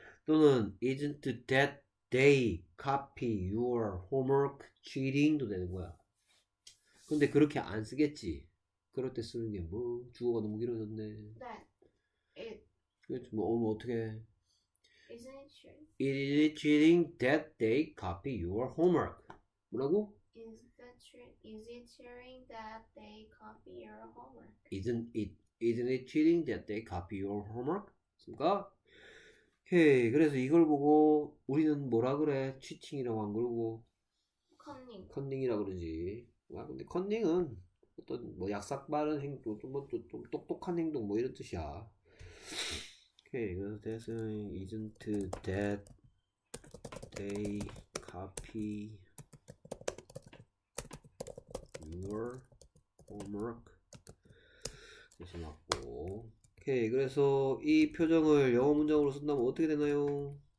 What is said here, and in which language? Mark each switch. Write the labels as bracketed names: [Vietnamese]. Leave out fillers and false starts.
[Korean] 또는 [English] isn't that they copy your homework cheating도 [Korean] 되는 거야. 근데 그렇게 안 쓰겠지. 그럴 때 쓰는 게 뭐? 주어가 너무 길어졌네. [English] That it [Korean] 그렇지 뭐 오늘 어떻게 해? [English] isn't it true? Is it cheating that they copy your homework? [Korean] 뭐라고? [English] Is that true? Is it cheating that they copy your homework? Isn't it cheating that they copy your homework? [Korean] 그니까 오케이 그래서 이걸 보고 우리는 뭐라 그래? 치팅이라고 안 그러고 [English] Cunning. [Korean] 컨닝이라고 그러지. 와 근데 컨닝은 어떤 뭐 약삭빠른 행동 좀뭐좀 똑똑한 행동 뭐 이런 뜻이야. 오케이 그래서 대신 [English] isn't that they copy your homework [Korean] 이렇게 맞고 오케이 그래서 이 표정을 영어 문장으로 쓴다면 어떻게 되나요?